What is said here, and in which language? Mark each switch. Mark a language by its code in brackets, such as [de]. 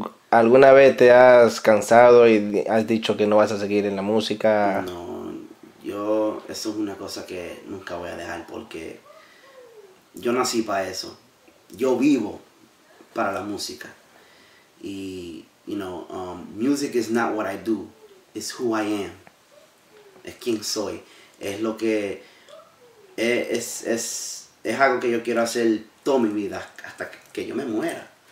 [es] ¿Alguna vez te has cansado y has dicho que no vas a seguir en la música? No, yo, eso es una cosa que nunca voy a dejar porque yo nací para eso. Yo vivo para la música. [en] Y, you know, music is not what I do, it's who I am. [es] Es quien soy. Es lo que, es algo que yo quiero hacer toda mi vida hasta que yo me muera.